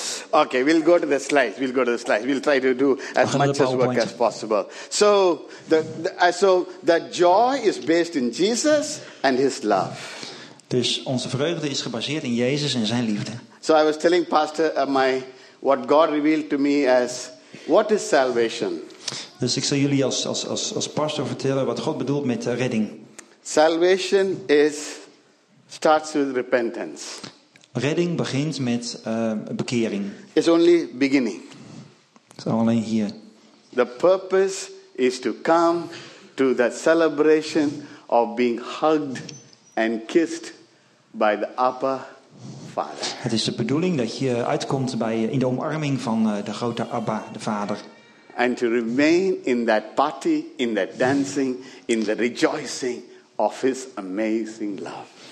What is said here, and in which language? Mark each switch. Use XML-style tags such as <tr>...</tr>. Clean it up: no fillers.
<en>Okay, we'll go to the slides. We'll go to the slides. We'll try to do as much as work as possible. So the joy is based in Jesus and his love.</en> <nl>Dus onze vreugde is gebaseerd in Jezus en zijn liefde.</nl> <en>So I was telling Pastor what God revealed to me as what is salvation?</en> <nl>Dus ik zal jullie als pastor vertellen wat God bedoelt met redding.</nl> <en>Salvation is starts with repentance.</en> <nl>Redding begint met bekering.</nl> <en>It's only beginning.</en> <nl>Het is alleen hier.</nl> <en>The purpose is to come to the celebration of being hugged and kissed by the Abba Father.</en> <nl>Het is de bedoeling dat je uitkomt in de omarming van de grote Abba, de Vader.</nl> <en>And to remain in that party, in that dancing, in the rejoicing of his amazing love.</en>